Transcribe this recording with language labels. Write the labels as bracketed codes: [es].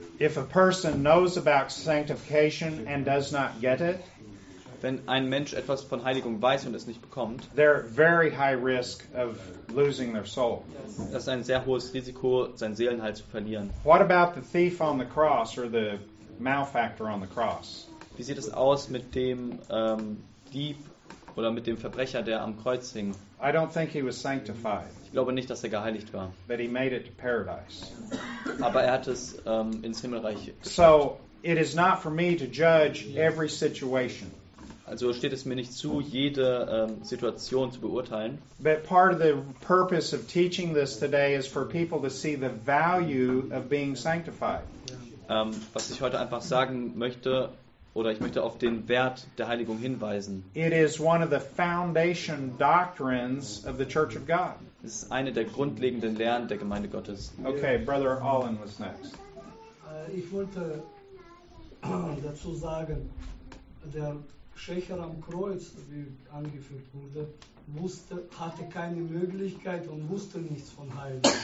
[en] If a person knows about sanctification and does not get it, [de] wenn ein Mensch etwas von Heiligung weiß und es nicht bekommt, [en] they're very high risk of losing their soul. [de] Das ist ein sehr hohes Risiko, seinen Seelenheil zu verlieren. [en] What about the thief on the cross or the malefactor on the cross? [de] Wie sieht es aus mit dem Dieb oder mit dem Verbrecher, der am Kreuz hing? [en] I don't think he was sanctified. [de] Ich glaube nicht, dass er geheiligt war. [en] But he made it to paradise. [de] Aber er hat es ins Himmelreich geschafft. [en] So it is not for me to judge every situation. [de] Also steht es mir nicht zu, jede Situation zu beurteilen. [en] But part of the purpose of teaching this today is for people to see the value of being sanctified. [de] Was ich heute einfach sagen möchte, oder ich möchte auf den Wert der Heiligung hinweisen. [en] It is one of the foundation doctrines of the Church of God. [de] Es ist eine der grundlegenden Lehren der Gemeinde Gottes. [en] Okay, Brother Allen, was next? [de] Ich wollte dazu sagen, der Schächer am Kreuz, wie angeführt wurde, hatte keine Möglichkeit und wusste nichts von Heilung.